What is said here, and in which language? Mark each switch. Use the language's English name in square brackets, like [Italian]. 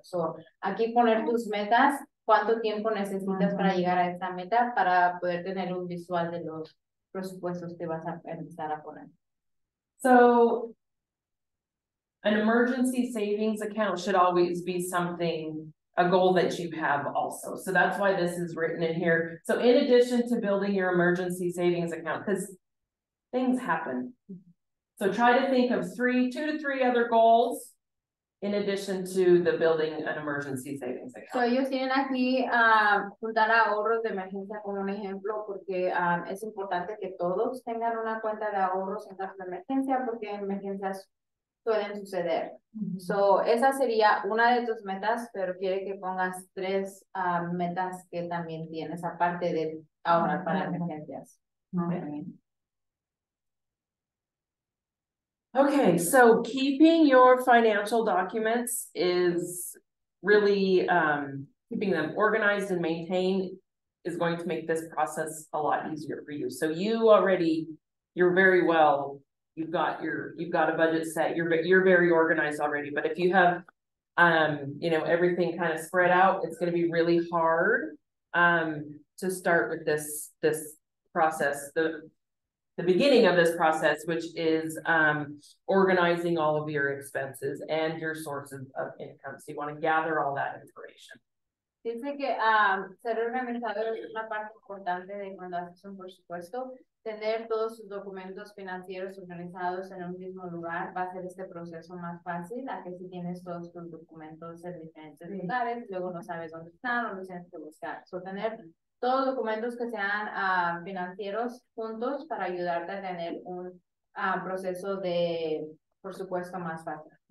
[Spanish] So, aquí poner tus metas, cuánto tiempo necesitas para llegar a esa meta para poder tener un visual de los presupuestos que vas a empezar a poner. [English] So, an emergency savings account should always be something, a goal that you have also. So that's why this is written in here. So in addition to building your emergency savings account, because things happen. So try to think of 2 to 3 other goals In addition to the building an emergency savings account. [Spanish] So ellos tienen aquí juntar ahorros de emergencia como un ejemplo porque es importante que todos tengan una cuenta de ahorros en caso de emergencia porque emergencias pueden suceder. Mm-hmm. So esa sería una de tus metas, pero quiere que pongas tres metas que también tienes aparte de ahorrar mm-hmm. para emergencias. [English] Okay. Okay, so keeping your financial documents is really keeping them organized and maintained is going to make this process a lot easier for you. So you already, you're very well, you've got a budget set, you're very organized already. But if you have, you know, everything kind of spread out, it's going to be really hard to start with this process. The beginning of this process, which is organizing all of your expenses and your sources of income. So you want to gather all that information. [Spanish] Dice que ser organizado es una parte importante de cuando haces un presupuesto. Tener todos sus documentos financieros organizados en un mismo lugar va a hacer este proceso más fácil, a que si tienes todos tus documentos en diferentes sí. lugares, luego no sabes dónde están o no tienes que buscar. So tener todos documentos que sean financieros juntos para ayudarte a tener un proceso de presupuesto más fácil.